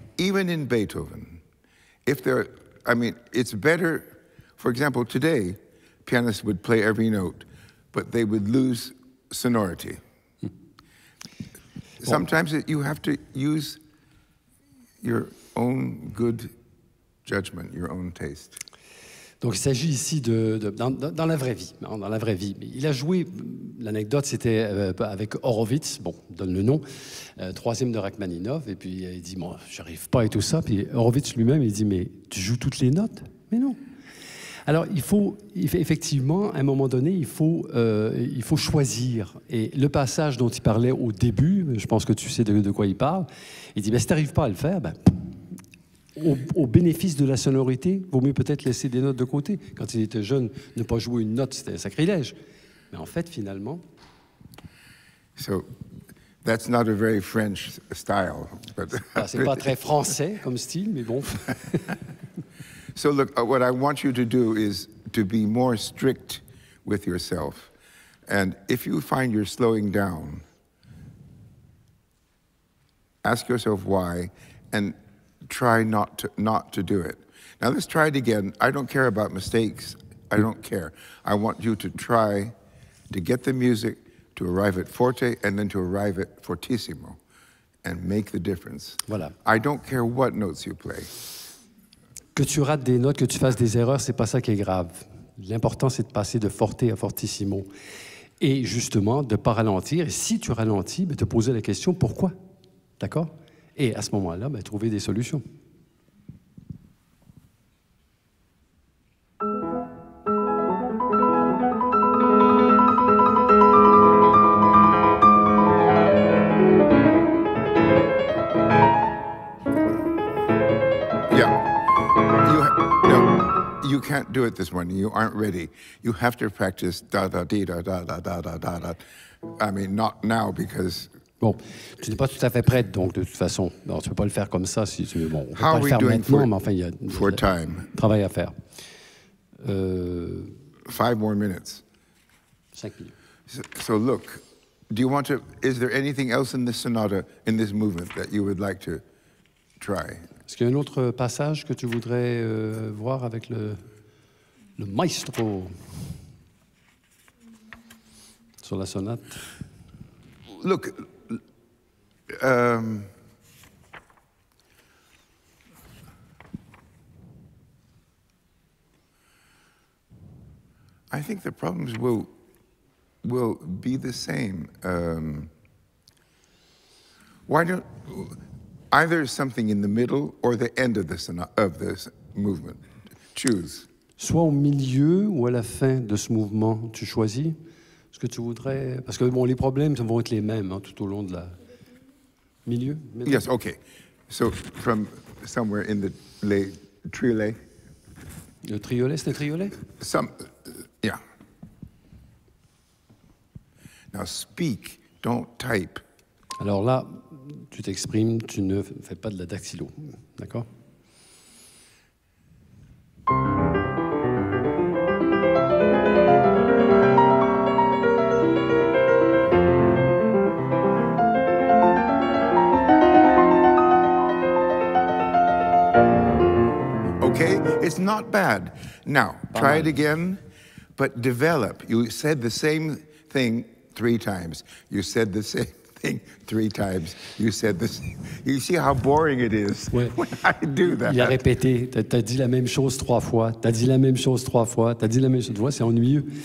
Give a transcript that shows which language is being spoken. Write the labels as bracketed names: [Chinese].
[English] Even in Beethoven, it's better, for example, today, pianists would play every note, but they would lose sonority. Well, sometimes you have to use your own good judgment, your own taste. [French] Donc il s'agit ici dans la vraie vie. Il a joué, l'anecdote c'était avec Horowitz, bon, donne le nom, troisième de Rachmaninov, et puis il dit, moi, j'arrive pas et tout ça, puis Horowitz lui-même, il dit, mais tu joues toutes les notes? Mais non. Alors il faut, effectivement, à un moment donné, il faut choisir. Et le passage dont il parlait au début, je pense que tu sais de quoi il parle, il dit, ben, si tu n'arrives pas à le faire, ben, au bénéfice de la sonorité, vaut mieux peut-être laisser des notes de côté. Quand il était jeune, ne pas jouer une note, c'était un sacrilège. Mais en fait, finalement... [English] So, that's not a very French style. But [French] c'est pas très français comme style, mais bon... [English] So look, what I want you to do is to be more strict with yourself. And if you find you're slowing down, ask yourself why and try not to do it. Now let's try it again. I don't care about mistakes. I don't care. I want you to try to get the music to arrive at forte and then to arrive at fortissimo and make the difference. [French] Voilà. [English] I don't care what notes you play. [French] Que tu rates des notes, que tu fasses des erreurs, c'est pas ça qui est grave. L'important, c'est de passer de forte à fortissimo. Et justement, de pas ralentir. Et si tu ralentis, ben, te poser la question, pourquoi? D'accord? Et à ce moment-là, ben, trouver des solutions. [English] You can't do it this morning. You aren't ready. You have to practice da da di da da da da da da da. I mean, not now because. [French] Bon, tu n'es pas tout à fait prête, donc de toute façon, non, tu peux pas le faire comme ça. Si tu veux, bon, on peut [English] how [French] pas le faire maintenant, mais enfin, il y a [English] for time. [French] Travail à faire. [English] Five more minutes. [French] 5 minutes. [English] So look, do you want to? Is there anything else in this sonata, in this movement, that you would like to try? [French] Est-ce qu'il y a un autre passage que tu voudrais voir avec le maestro sur la sonate? [English] Look, I think the problems will be the same. Why don't either something in the middle or the end of this movement. Choose. [French] Soit au milieu ou à la fin de ce mouvement, tu choisis ce que tu voudrais. Parce que bon, les problèmes vont être les mêmes hein, tout au long de la milieu. Maintenant. [English] Yes, okay. So from somewhere in the [French] les triolets. Le triolet, c'est le triolet. [English] Some, yeah. Now speak. Don't type. [French] Alors là, tu t'exprimes, tu ne fais pas de la dactylo, d'accord? [English] Okay, it's not bad. Now, try it again, but develop. You said the same thing three times. You said the same. Three times you said this. You see how boring it is when I do that. [French] Il a répété. T'as dit la même chose trois fois. T'as dit la même chose. Tu vois, c'est ennuyeux.